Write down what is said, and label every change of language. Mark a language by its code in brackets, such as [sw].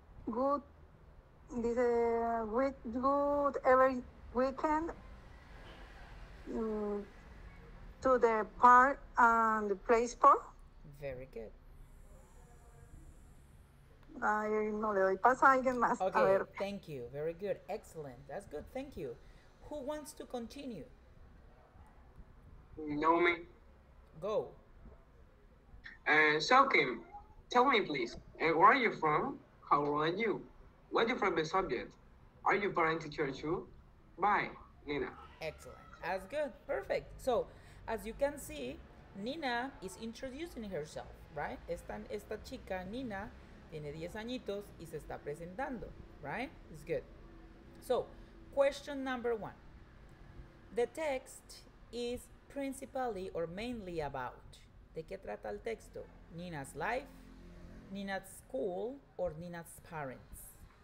[en] Good, dice, with good every weekend to the park and the play sport. Very good. [es] Ay, no le doy paso a alguien más. [en] Okay, [es] a ver. [en] Thank you. Very good. Excellent. That's good. Thank you. Who wants to continue? No, me. Go. So, Kim, tell me, please, where are you from? How old are you? What is your favorite subject? Are you parent teacher too? Bye, Nina. Excellent. That's good. Perfect. So, as you can see, Nina is introducing herself, right? [es] Esta chica, Nina, tiene 10 añitos y se está presentando, right? [en] It's good. So, question number one. The text is principally or mainly about. [es] ¿De qué trata el texto? [en] Nina's life, Nina's school, or Nina's parents?